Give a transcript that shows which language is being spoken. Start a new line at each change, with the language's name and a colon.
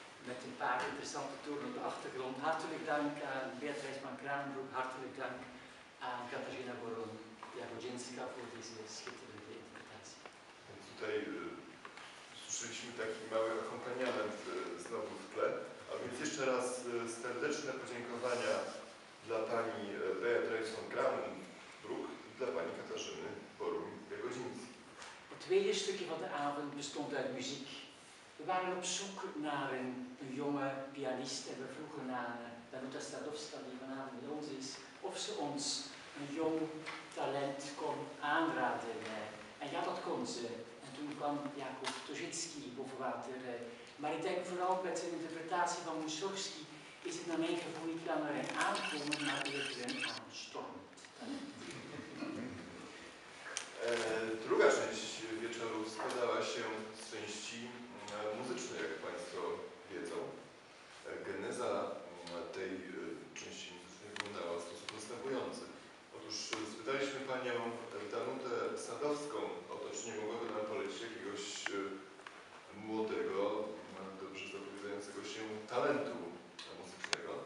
Dutch: Met een paar interessante toeren op de achtergrond. Hartelijk dank aan Beatrice van Kranenbroek. Hartelijk dank aan Katarzyna Boron, Jagodzińska, voor deze schitterende interpretatie.
Polish: Więc tutaj słyszeliśmy taki mały akompaniament znowu w tle. A więc jeszcze raz serdeczne podziękowania dla pani Beatrice van Kranenbroek i dla pani Katarzyny Boron, Jagodzińskiej.
Dutch: Het tweede stukje van de avond bestond uit muziek. We waren op zoek naar een jonge pianist en we vroegen naar Danuta Stadowska, die vanavond met ons is, of ze ons een jong talent kon aanraden. En ja, dat kon ze. En toen kwam Jakub Tożycki boven water. Maar ik denk vooral met zijn interpretatie van Mussorgsky is het naar mijn gevoel niet langer een aankomen, maar eerder een aanstormend talent.
Polish: Druga część wieczoru składała się z części muzycznej, jak Państwo wiedzą. Geneza tej części muzycznej wyglądała w sposób następujący. Otóż spytaliśmy Panią Danutę Sadowską o to, czy nie mogłaby nam polecić jakiegoś młodego, dobrze zapowiadającego się talentu muzycznego.